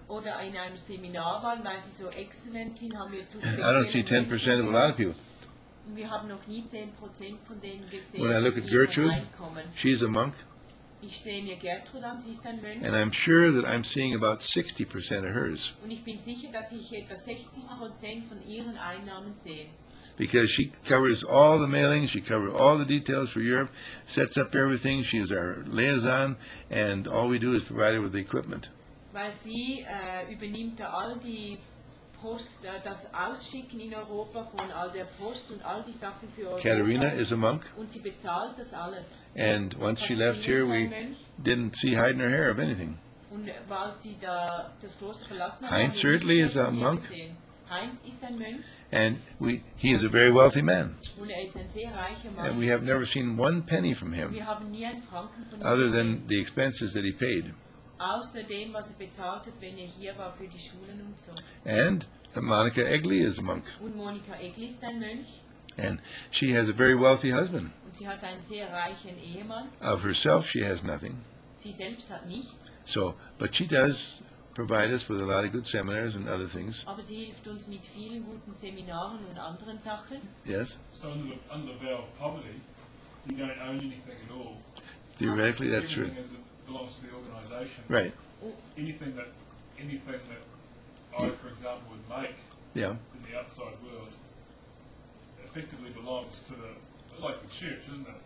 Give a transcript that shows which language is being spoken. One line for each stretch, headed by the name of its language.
German: Oder in einem Seminar waren, weil sie so exzellent sind, haben wir zu sehen.
English: I don't see 10% of a lot of people.
German: Wir haben noch nie 10% von denen gesehen.
English: When I look at Gertrude, she's a monk.
German: Ich sehe mir Gertrud an, sie ist ein Mönch.
English: And I'm sure that I'm seeing about 60% of hers.
German: Und ich bin sicher, dass ich etwa 60% von ihren Einnahmen sehe.
English: Because she covers all the mailings, she covers all the details for Europe, sets up everything, she is our liaison, and all we do is provide her with the equipment.
German: Weil sie übernimmt all die Post, das Ausschicken in Europa von all der Post und all die Sachen für Europa.
English: Katharina is a monk.
German: Und sie bezahlt das alles.
English: And once she left here, we didn't see hide nor hair of anything.
German: Und weil sie da das Kloster verlassen hat,
English: Heinz certainly is a monk.
German: Heinz ist ein Mönch.
English: And he is a very wealthy man.
German: Und er ist ein sehr reicher Mann.
English: And we have never seen one penny from him.
German: Wir haben nie einen Franken von ihm.
English: Other than the expenses that he paid.
German: Außer dem, was er bezahlt hat, wenn er hier war für die Schulen und so.
English: And Monica Egli is a monk.
German: Und Monica Egli ist ein Mönch.
English: And she has a very wealthy husband.
German: Und sie hat einen sehr reichen Ehemann.
English: Of herself, she has nothing.
German: Sie selbst hat nichts.
English: So, but she does provide us with a lot of good seminars and other things.
German: Aber sie hilft uns mit vielen guten Seminaren und anderen Sachen.
English: Yes. So under the veil of poverty, you don't own anything at all. Theoretically, that's true. Everything belongs to the organization. Right. Anything that I, for example, would make in the outside world effectively belongs to the, like the church, isn't it?